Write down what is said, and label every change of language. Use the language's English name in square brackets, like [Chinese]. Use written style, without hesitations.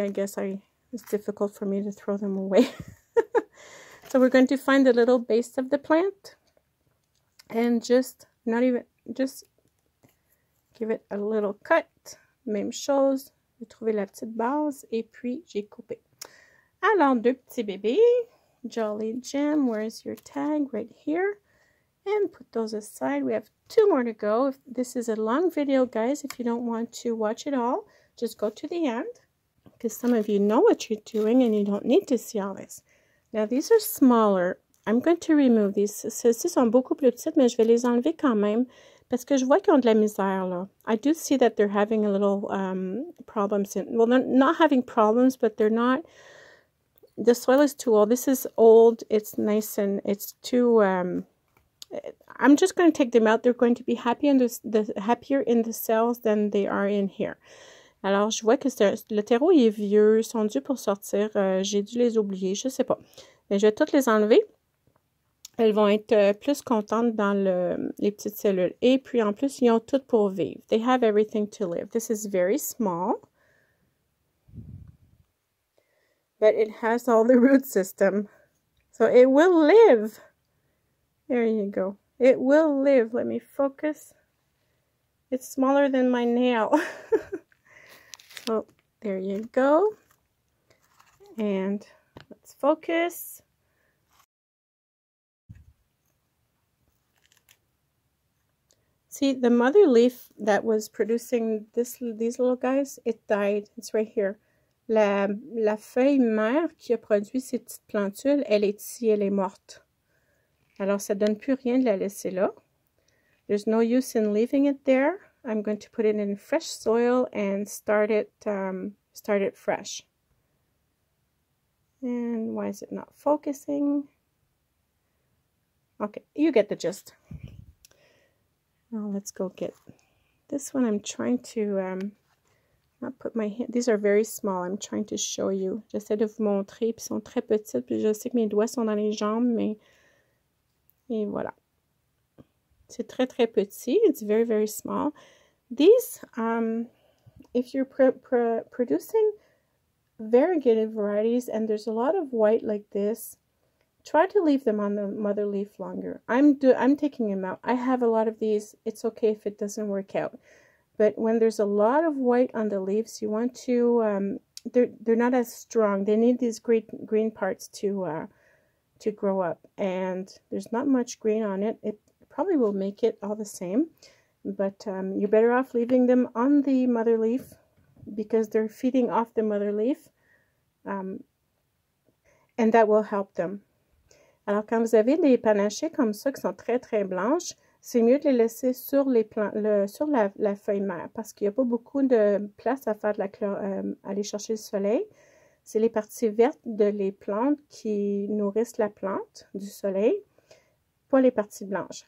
[English] I guess it's difficult for me to throw them away. So we're going to find the little base of the plant and just give it a little cut. [French] Même chose, j'ai trouvé la petite base et puis j'ai coupé. Alors, deux petits bébés, [English] Jolly Jam, where's your tag? Right here. and put those aside. We have two more to go. If this is a long video, guys, if you don't want to watch it all, just go to the end, because some of you know what you're doing and you don't need to see all this. Now these are smaller. I'm going to remove these. [French] Ceux-ci sont beaucoup plus petites, mais je vais les enlever quand même parce que je vois qu'ils ont de la misère là. [English] I do see that they're having a little problems. Well, they're not having problems, but they're not. The soil is too old. This is old. It's nice and it's too. I'm just going to take them out. They're going to be happy in happier in the cells than they are in here. [French] Alors, je vois que le terreau est vieux, ils sont dus pour sortir. J'ai dû les oublier, je ne sais pas. Mais je vais toutes les enlever. Elles vont être plus contentes dans les petites cellules. Et puis, en plus, ils ont tout pour vivre. [English] They have everything to live. This is very small. But it has all the root system. So, it will live. There you go. It will live. Let me focus. It's smaller than my nail. So, there you go. And let's focus. See, the mother leaf that was producing these little guys, it died. It's right here. [French] La feuille mère qui a produit ces petites plantules, elle est ici, elle est morte. Alors, ça donne plus rien de la laisser là. [English] There's no use in leaving it there. I'm going to put it in fresh soil and start it fresh. And why is it not focusing? Okay, you get the gist. Now let's go get this one. I'm trying to not put my hand. These are very small. I'm trying to show you. [French] J'essaie de vous montrer. Puis ils sont très petites. Puis je sais que mes doigts sont dans les jambes, mais et voilà. C'est très très petit. [English] It's very very small. These, if you're producing variegated varieties and there's a lot of white like this, try to leave them on the mother leaf longer. I'm taking them out. I have a lot of these. It's okay if it doesn't work out. But when there's a lot of white on the leaves, you want to, they're not as strong. They need these green parts to grow up. And there's not much green on it. It probably will make it all the same. But you're better off leaving them on the mother leaf because they're feeding off the mother leaf. And that will help them. [French] Alors, quand vous avez des panachées comme ça qui sont très, très blanches, c'est mieux de les laisser sur la feuille mère parce qu'il n'y a pas beaucoup de place à faire aller chercher le soleil. C'est les parties vertes de les plantes qui nourrissent la plante du soleil, pas les parties blanches.